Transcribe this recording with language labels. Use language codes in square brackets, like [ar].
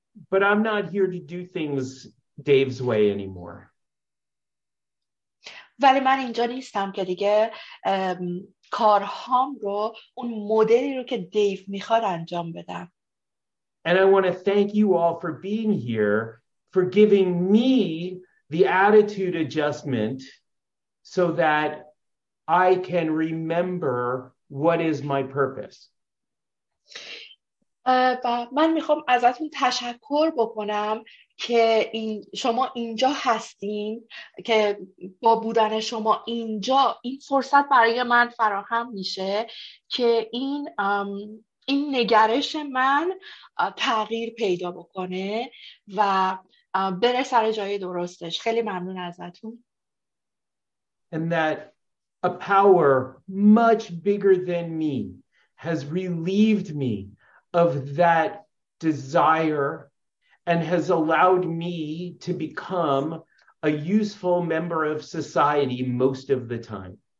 [en] But I'm not here to do things Dave's way anymore. [fa] ولی من اینجا نیستم که دیگه کارهام رو اون مدلی رو که دیو میخواد انجام بدم. [en] And I want to thank you all for being here, for giving me the attitude adjustment so that I can remember what is my purpose. [fa] من میخوام ازتون تشکر بکنم که این شما اینجا هستین، که با بودن شما اینجا این فرصت برای من فراهم میشه که این نگرش من تغییر پیدا بکنه و بره سر جای درستش. خیلی ممنون ازتون. [en] And that a power much bigger than me has relieved me of that desire and has allowed me to become a useful member of society most of the time.